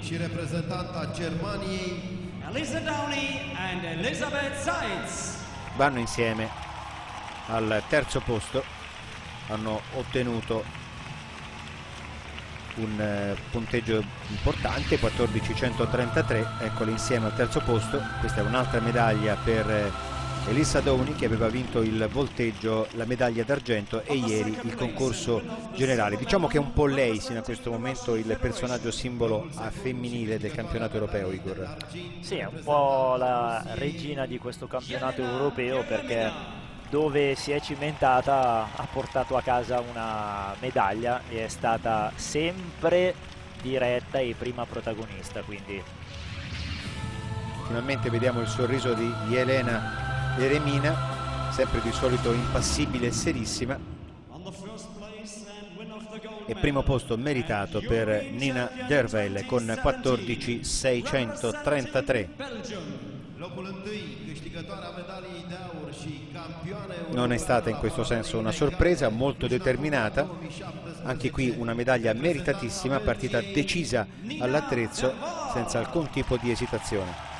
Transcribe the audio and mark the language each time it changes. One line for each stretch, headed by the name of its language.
Romanian: Și reprezentanta Germaniei.
English: Elissa Downey and Elizabeth Sides.
Italian: Vanno insieme al terzo posto. Hanno ottenuto un punteggio importante, 14.133, eccoli insieme al terzo posto. Questa è un'altra medaglia per Elissa Downey, che aveva vinto il volteggio, la medaglia d'argento, e ieri il concorso generale. Diciamo che è un po' lei sino a questo momento il personaggio simbolo femminile del campionato europeo, Igor. Sì, è un po' la regina di questo campionato europeo, perché dove si è cimentata ha portato a casa una medaglia e è stata sempre diretta e prima protagonista. Quindi finalmente vediamo il sorriso di Yelena Eremina, sempre di solito impassibile e serissima, e primo posto meritato per Nina Derwael con 14.633.
Romanian: Locul întâi, câștigătoarea medaliei de aur și campioană europeană.
Italian: Non è stata in questo senso una sorpresa, molto determinata. Anche qui una medaglia meritatissima, partita decisa all'attrezzo, senza alcun tipo di esitazione.